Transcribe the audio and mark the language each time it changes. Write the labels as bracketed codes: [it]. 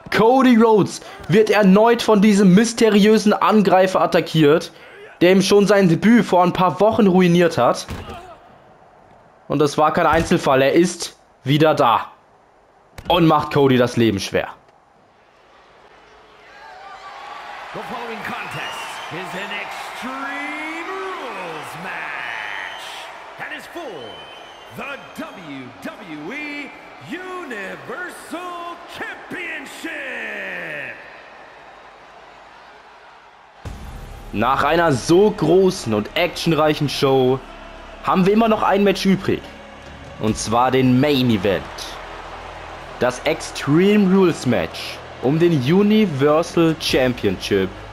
[de] Cody Rhodes wird erneut von diesem mysteriösen Angreifer attackiert, der ihm schon sein Debüt vor ein paar Wochen ruiniert hat. Und das war kein Einzelfall. Er ist wieder da. Und macht Cody das Leben schwer. [en] The following contest is an Extreme Rules match. And is for the WWE Universal Championship. [de] Nach einer so großen und actionreichen Show haben wir immer noch ein Match übrig. Und zwar den Main Event. Das Extreme Rules Match um den Universal Championship.